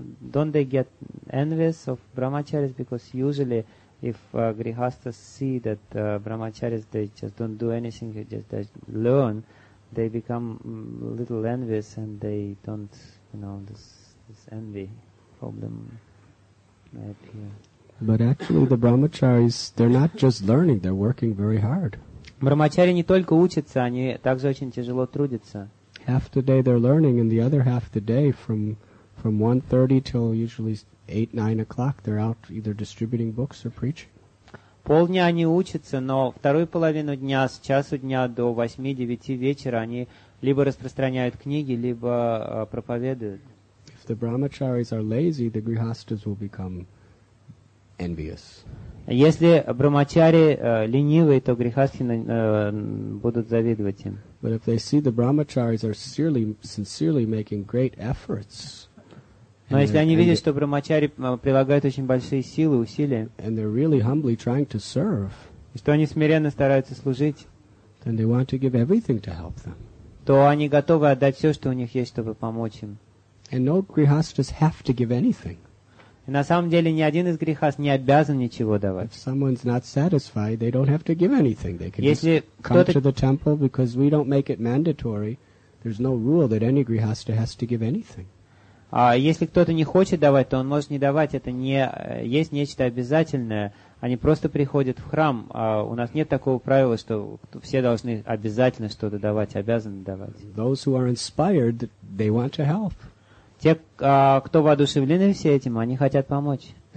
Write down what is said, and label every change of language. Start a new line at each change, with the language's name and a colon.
English: Don't they get envious of brahmacharis? Because usually if grihasthas see that brahmacharis, they just don't do anything, they just learn, they become a little envious and they don't, you know, this envy problem might appear. But actually the brahmacharis, they're not just learning, they're working very hard.
Russian: Брамачари не только учатся, они также очень тяжело трудятся.
English: Half the day they're learning, and the other half the day from 1:30 till usually 8-9 o'clock they're out either distributing books or preaching.
Russian: Полдня они учатся, но вторую половину дня, с часу дня до 8-9 вечера они либо распространяют книги, либо проповедуют.
English: If the brahmacharis are lazy, the grihasthas will become envious.
Russian: Если брамачари ленивые, то грихасхи будут завидовать им.
English: But if they see the brahmacharis are sincerely making great efforts,
Russian: но если они видят, что брамачари прилагают очень большие силы, усилия,
English: and they're really humbly trying to serve,
Russian: и что они смиренно стараются служить,
English: then they want to give everything to help them.
Russian: То они готовы отдать все, что у них есть, чтобы помочь им.
English: And no grihasthas have to give anything.
Russian: И на самом деле ни один из грехов не обязан ничего давать.
English: If someone's not satisfied, they don't have to give anything. They can
Russian: Если
English: just come to the temple because we don't make it mandatory. There's no rule that any grihastha has to give anything.
Russian: А если кто-то не хочет давать, то он может не давать. Это не есть нечто обязательное. Они просто приходят в храм. А у нас нет такого правила, что все должны обязательно что-то давать, обязаны давать.
English: Those who are inspired, they want to help.
Russian: Те, кто воодушевлены все этим, они хотят помочь.